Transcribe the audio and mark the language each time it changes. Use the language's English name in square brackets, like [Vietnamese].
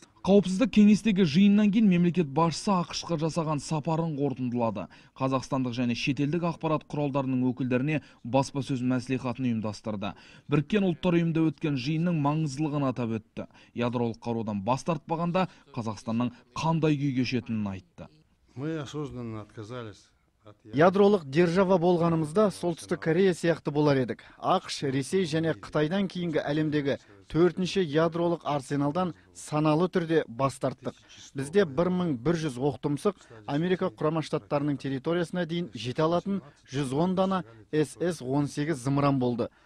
[Kazakh] Қауіпсіздік кеңестегі жиыннан кейін мемлекет басшысы ақшқа жасаған сапарын қорытындылады. Қазақстандық және шетелдік ақпарат құралдарының өкілдеріне баспасөз мәслихатын ұйымдастырды. Біріккен ұлттар ұйымында өткен жиынның маңыздылығын атап өтті. Ядролық қарудан бас тартпағанда Қазақстанның қандай күй кешетінін айтты. [Russian] Мы осознанно отказались. [Kazakh] Ядролық держава болғанымызда Солтүстік Корея сияқты болар едік. АҚШ, Ресей және Қытайдан кейінгі әлемдегі төртінші ядролық арсеналдан саналы түрде бас тарттық. Бізде 1100 оқтұмсық Америка Құрама Штаттарының территориясына дейін жете алатын 110 дана СС-18 зымыран болды.